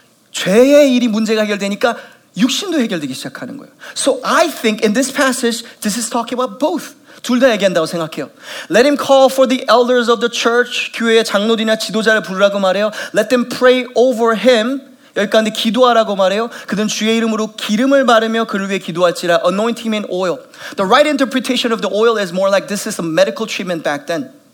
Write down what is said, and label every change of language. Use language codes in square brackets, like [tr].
[ko] 죄의 일이 문제가 해결되니까 육신도 해결되기 시작하는 거예요. [en] So I think in this passage, this is talking about both. [ko] 둘 다 얘기한다고 생각해요. [en] Let him call for the elders of the church. [ko] 교회의 장로들이나 지도자를 부르라고 말해요. [en] Let them pray over him. [ko] 여기까지 기도하라고 말해요. 그는 주의 이름으로 기름을 바르며 그를 위해 기도할지라. [en] Anoint him in oil. The right interpretation of the oil is more like this is a medical treatment back then.